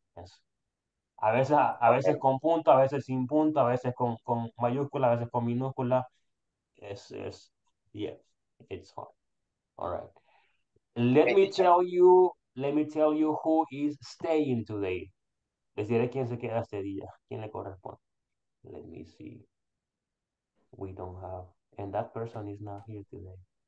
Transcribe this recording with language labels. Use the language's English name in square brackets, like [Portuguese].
[Spanish] Yes. A veces con punto, a veces sin punto, a veces con mayúscula, a veces con minúscula. [English] Es yes, it's fine. All right. Let me tell you who is staying today. [Spanish] Les diré quién se queda este día, quién le corresponde. [English] Let me see. We don't have, and that person is not here today.